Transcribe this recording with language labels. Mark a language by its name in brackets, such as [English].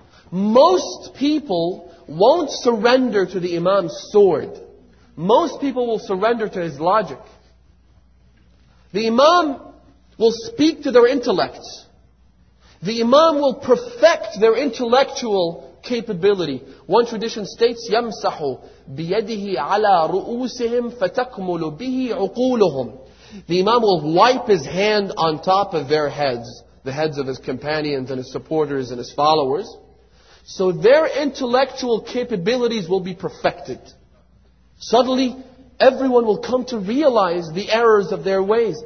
[English] Most people won't surrender to the Imam's sword. Most people will surrender to his logic. The Imam will speak to their intellects. The Imam will perfect their intellectual capability. One tradition states, [Arabic] يَمْسَحُ بِيَدِهِ عَلَىٰ رُؤُوسِهِمْ فَتَكْمُلُ بِهِ عُقُولُهُمْ. [English] The Imam will wipe his hand on top of their heads, the heads of his companions and his supporters and his followers. So their intellectual capabilities will be perfected. Suddenly, Everyone will come to realize the errors of their ways.